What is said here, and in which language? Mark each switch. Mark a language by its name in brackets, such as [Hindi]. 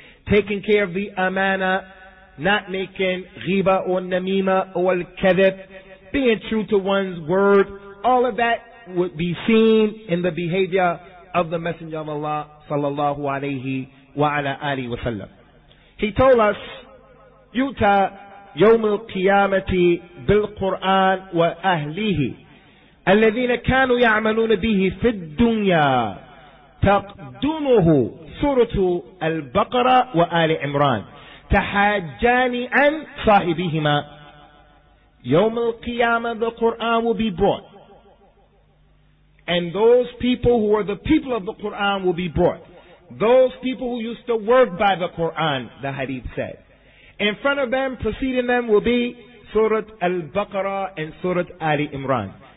[English] Taking care of the amana, not making ghiba or namima or al-kadhib, being true to one's word, all of that would be seen in the behavior of the Messenger of Allah sallallahu alayhi wa ala alihi wa sallam. He told us, yuta [Arabic] يوم القيامة بالقرآن وأهله الذين كانوا يعملون به في الدنيا تقدمه سورة البقرة وآل عمران تحاجان عن صاحبهما. يوم القيامة [English] the Quran will be brought and those people who are the people of the Quran will be brought, those people who used to work by the Quran, the hadith said. In front of them, preceding them, will be Surah Al-Baqarah and Surah Ali Imran.